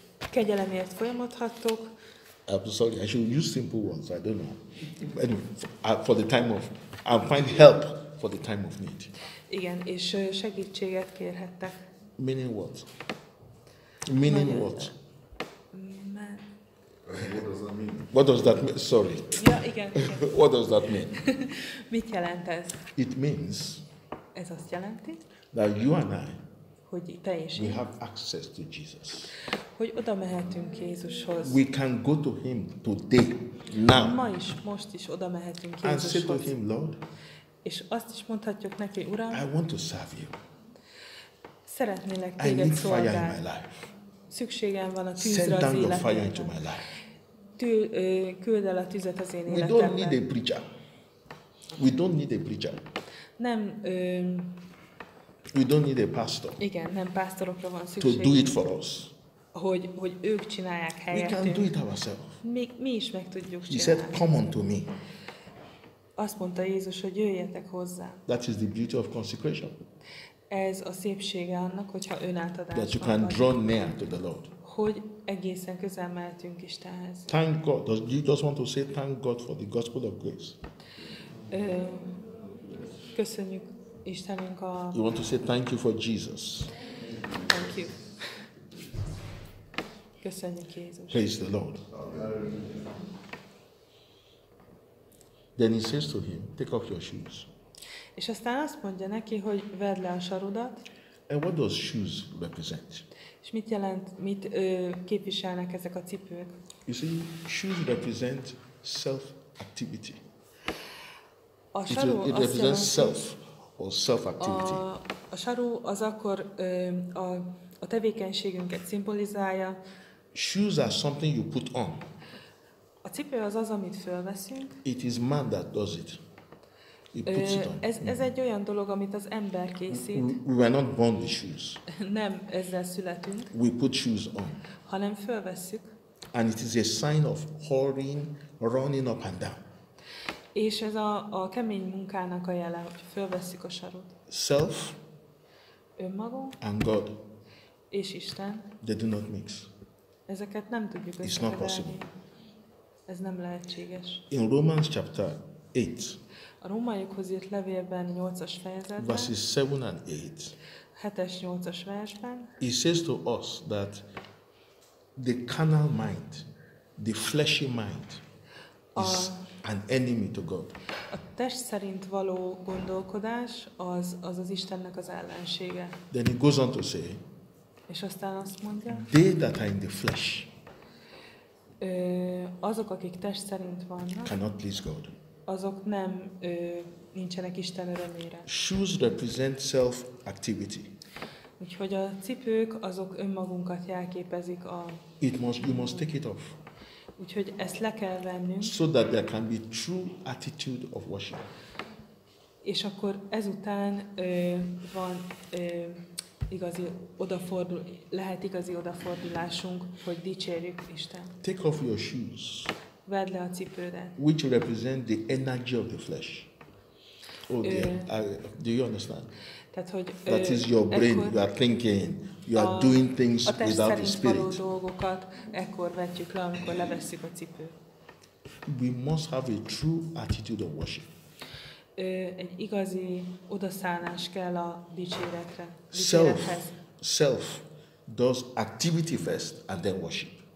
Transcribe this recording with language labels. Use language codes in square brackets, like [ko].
[hu] Kegyelemért folyamodhattok. [en] I'm sorry, I should use simple ones, I don't know. Anyway, for the time of, I'll find help for the time of need. [hu] Igen, és segítséget kérhettek. [en] Meaning what? Meaning magyar what? What does that mean? Sorry. [hu] Ja, igen. [en] What does that mean? [hu] Mit jelent ez? [en] It means. [hu] Ez azt jelenti? [en] That you and I. [hu] Hogy te és [en] we have access to Jesus. [hu] Hogy oda mehetünk Jézushoz. [en] We can go to him today, now. [hu] Ma is, most is oda mehetünk Jézushoz. [en] And say to him, Lord. [hu] És azt is mondhatjuk neki, Uram. [en] I want to serve you. [hu] Szeretnélek téged szolgálni. [en] I need fire in my life. [hu] Szükségem van a tűzre az életemben. [en] Send down your fire into my life. [hu] Küld el a tüzet az én életemben. [en] We don't need a preacher. We don't need a preacher. [hu] Nem. [en] We don't need a pastor. [hu] Igen, nem pásztorokra van szükség. [en] To do it for us. [hu] Hogy ők csinálják helyettünk. [en] We can do it ourselves. [hu] Mi is meg tudjuk csinálni. [en] He said, come unto me. [hu] Azt mondta Jézus, hogy jöjjetek hozzá. [en] That is the beauty of consecration. [hu] Ez a szépsége annak, hogyha önátadásban vagyunk. [en] That you can draw near to the Lord. [hu] Hogy egészen közel mehetünk Istenhez. [en] Thank God. Do you just want to say thank God for the gospel of grace? [hu] Köszönjük Istenünk a... [en] You want to say thank you for Jesus. Thank you. [hu] Köszönjük Jézus. [en] Praise the Lord. Then he says to him, take off your shoes. [hu] És aztán azt mondja neki, hogy vedd le a sarudat. [en] And what does shoes represent? [hu] És mit jelent, mit képviselnek ezek a cipők? [en] You see, shoes represent self-activity. [hu] A saru, [en] it represents self or self-activity. [hu] A saru az akkor a tevékenységünket szimbolizálja. [en] Shoes are something you put on. [hu] A cipő az, amit fölveszünk. [en] It is man that does it. [hu] Ez egy olyan dolog, amit az ember készít. [en] We were not born with shoes. [hu] Nem ezzel születünk. [en] We put shoes on. [hu] Hanem fölvesszük. [en] And it is a sign of hurrying, running up and down. [hu] És ez a kemény munkának a jele, hogy fölvesszük a sarut. [en] Self. [hu] Önmagunk. [en] And God. [hu] És Isten. [en] They do not mix. [hu] Ezeket nem tudjuk összekeverni. [en] It's not possible. [hu] Ez nem lehetséges. [en] In Romans chapter 8. [hu] A rómaiakhoz írt levélben 8-as fejezetben. [en] Verses 7 and 8. [hu] 7-es, 8-as versben. [en] He says to us that the carnal mind, the fleshy mind is an enemy to God. [hu] A test szerint való gondolkodás az Istennek az ellensége. [en] Then he goes on to say. [hu] És aztán azt mondja. [en] They that are in the flesh. [hu] Azok, akik test szerint vannak. [en] Cannot please God. [hu] Azok nem nincsenek Isten örömére. [en] Shoes represent self-activity. [hu] Úgyhogy a cipők azok önmagunkat jelképezik a. [en] It must, you must take it off. [hu] Úgyhogy ezt le kell vennünk. [en] So that there can be true attitude of worship. [hu] És akkor ezután van igazi odafordul, lehet igazi odafordulásunk, hogy dicsérjük Isten. [en] Take off your shoes. [hu] Vedd le a cipődet. [en] Which represent the energy of the flesh. Oh dear, do you understand? [hu] Tehát, hogy [en] that is your brain, you are thinking, you are doing things without the spirit. [hu] A test szerint való dolgokat ekkor vetjük le, amikor levesszük a cipő. [en] We must have a true attitude of worship. [hu] Egy igazi odaszállás kell a dicsérethez. [en] Self does activity first and then worship.